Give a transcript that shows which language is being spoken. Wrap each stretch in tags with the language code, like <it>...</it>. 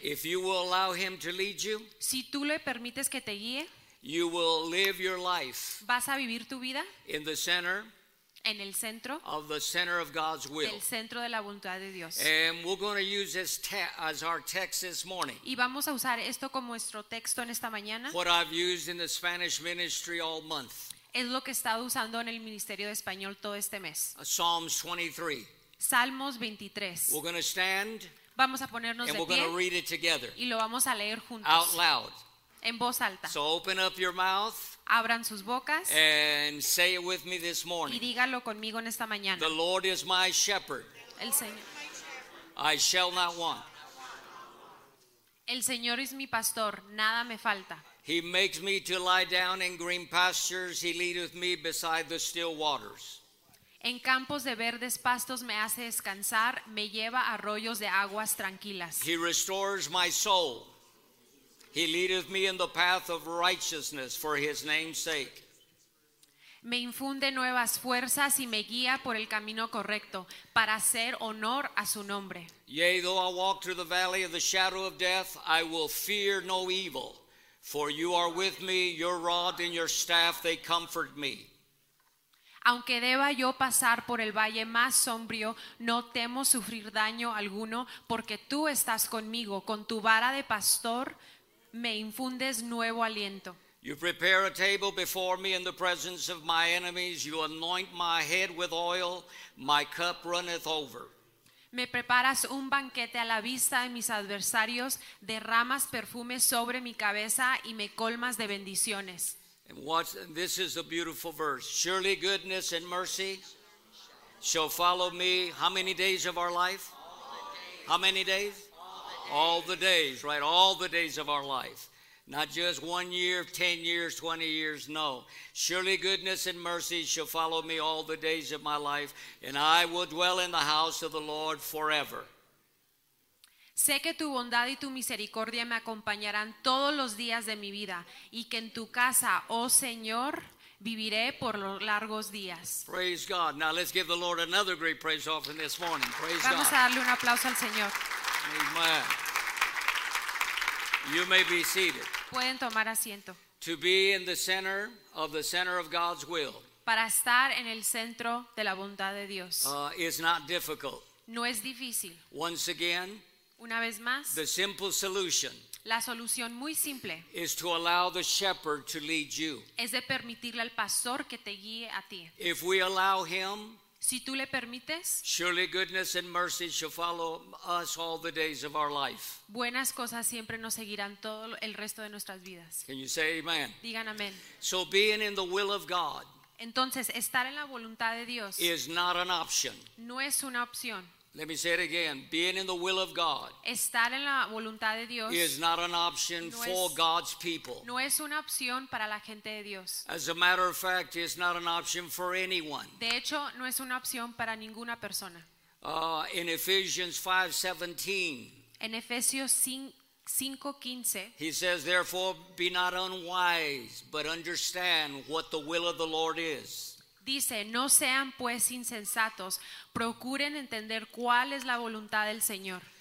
<en>If you will allow him to lead you.</en> <es>Si tú le permites que te guíe.</es> <en>You will live your life.</en> <es>Vas a vivir tu vida.</es> <en>In the center.</en> <es>En el centro</es> <en>of the center of God's will.</en> <es>Del centro de la voluntad de Dios.</es> <en>And we're going to use this as our text this morning.</en> <es>Y vamos a usar esto como nuestro texto en esta mañana.</es> <en>What I've used in the Spanish ministry all month.</en> <es>Es lo que he estado usando en el ministerio de español todo este mes.</es> <en>Psalms 23.</en> <es>Salmos 23.</es> <en>We're going to stand.</en> <es>Vamos a ponernos</es> <en>and</en> <es>de</es> <en>we're</en> <es>pie</es> <en>gonna read it together,</en> <es>y lo vamos a leer juntos</es> <en>out loud.</en> <es>En voz alta.</es> <en>So open up your mouth,</en> <es>abran sus bocas,</es> <en>and say it with me this morning.</en> <es>Y dígalo conmigo en esta mañana.</es> <en>The Lord is my shepherd.</en> <es>El Señor.</es> <en>I shall not want.</en> <es>El Señor es mi pastor, nada me falta.</es> <en>He makes me to lie down in green pastures. He leadeth me beside the still waters.</en> <es>En campos de verdes pastos me hace descansar, me lleva a arroyos de aguas tranquilas.</es> <en>He restores my soul. He leadeth me in the path of righteousness for his name's sake.</en> <es>Me infunde nuevas fuerzas y me guía por el camino correcto para hacer honor a su nombre.</es> <en>Yea, though I walk through the valley of the shadow of death, I will fear no evil, for you are with me, your rod and your staff, they comfort me.</en> <es>Aunque deba yo pasar por el valle más sombrío, no temo sufrir daño alguno, porque tú estás conmigo. Con tu vara de pastor me infundes nuevo aliento.</es> <en>You prepare a table before me in the presence of my enemies. You anoint my head with oil. My cup runneth over.</en> <es>Me preparas un banquete a la vista de mis adversarios. Derramas perfume sobre mi cabeza y me colmas de bendiciones.</es> <en>Watch, this is a beautiful verse. Surely goodness and mercy shall follow me. How many days of our life? How many days? All the days, right? All the days of our life. Not just 1 year, 10 years, 20 years, no. Surely goodness and mercy shall follow me all the days of my life, and I will dwell in the house of the Lord forever.</en> <es>Sé que tu bondad y tu misericordia me acompañarán todos los días de mi vida, y que en tu casa, oh Señor, viviré por los largos días.</es> <en>Praise God. Now let's give the Lord another great praise offering this morning. Praise</en> <es>Vamos</es> <en>God.</en> <es>A darle un aplauso al Señor.</es> <en>Amen. You may be seated.</en> <es>Pueden tomar asiento.</es> <en>To be in the center of God's will.</en> <es>Para estar en el centro de la bondad de Dios.</es> <en>Is not difficult.</en> <es>No es difícil.</es> <en>Once again,</en> <es>una vez más,</es> <en>the simple solution,</en> <es>la solución muy simple,</es> <en>is to allow the shepherd to lead you.</en> <es>Es de permitirle al pastor que te guíe a ti.</es> <en>If we allow him,</en> <es>si tú le permites,</es> <en>surely goodness and mercy shall follow us all the days of our life.</en> <es>Buenas cosas siempre nos seguirán todo el resto de nuestras vidas.</es> <en>Can you say amen?</en> <es>Digan amén.</es> <en>So being in the will of God,</en> <es>entonces estar en la voluntad de Dios,</es> <en>is not an option.</en> <es>No es una opción.</es> <en>Let me say it again. Being in the will of God,</en> <es>estar en la voluntad de Dios,</es> <en>is not an option for God's people.</en> <es>No es una opción para la gente de Dios.</es> <en>As a matter of fact, it's not an option for anyone.</en> <es>De hecho, no es una opción para ninguna persona.</es> <en>In Ephesians 5:17,</en> <es>en Efesios 5:15,</es> <en>he says, "Therefore, be not unwise, but understand what the will of the Lord is."</en> <es>Dice, no sean pues insensatos, procuren entender cuál es la voluntad del Señor.</es>